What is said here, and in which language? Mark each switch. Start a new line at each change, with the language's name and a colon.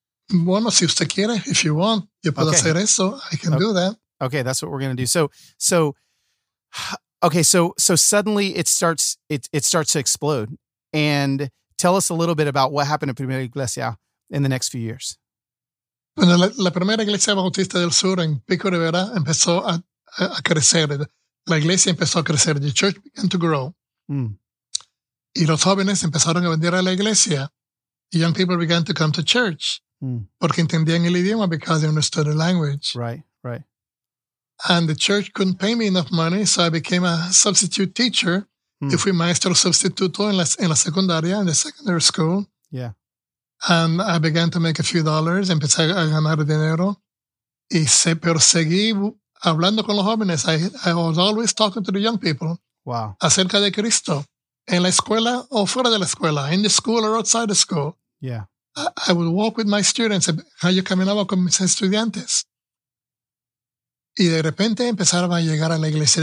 Spanish: Bueno, si usted quiere,
English: if you want,
Spanish: yo puedo hacer eso.
English: I can do that. Okay, that's what we're going to do. So suddenly it starts to explode. And tell us a little bit about what happened at Primera Iglesia in the next few years.
Spanish: Bueno, la Primera Iglesia Bautista del Sur en Pico Rivera empezó a crecer. La iglesia empezó a crecer.
English: The church began to grow.
Spanish: Mm. Y los jóvenes empezaron a venir a la iglesia.
English: The young people began to come to church.
Spanish: Mm. Porque entendían el idioma,
English: because they understood the language. Right, right. And the church couldn't pay me enough money, so I became a substitute teacher.
Spanish: Mm. Yo fui maestro sustituto en la secundaria, en
English: the secondary school. Yeah. And I began to make a few dollars,
Spanish: empecé a ganar dinero. Pero seguí hablando con los jóvenes.
English: I was always talking to the young people. Wow.
Spanish: Acerca de Cristo. En la escuela o fuera de la escuela.
English: In the school or outside the school. Yeah. I would walk with my students.
Spanish: Yo caminaba con mis estudiantes. Y de repente empezaron a llegar a la iglesia.